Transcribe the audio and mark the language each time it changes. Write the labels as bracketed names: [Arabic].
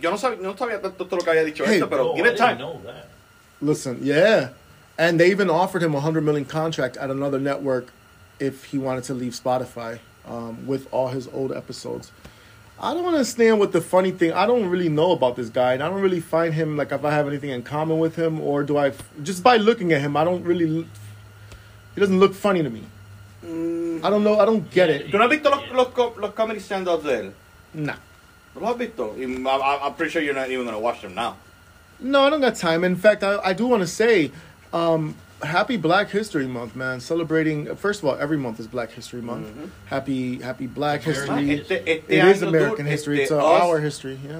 [Spanish] Yo no sabía tanto lo que había dicho esto, pero [English] give it time. Listen, yeah. And they even offered him a $100 million contract at another network if he wanted to leave Spotify with all his old episodes. I don't understand what the funny thing... I don't really know about this guy, and I don't really find him, like, if I have anything in common with him, or do I... Just by looking at him, I don't really... He doesn't look funny to me. I don't know. I don't get it. [Spanish] ¿Tú no has visto los comedy stand-ups de él? [English] Nah. [Spanish] ¿No lo has visto? [English] I'm pretty sure you're not even going to watch them now. No, I don't got time. In fact, I do want to say, happy Black History Month, man. Celebrating, first of all, every month is Black History Month. Mm-hmm. Happy Black History. It is American history. It's our history. Yeah.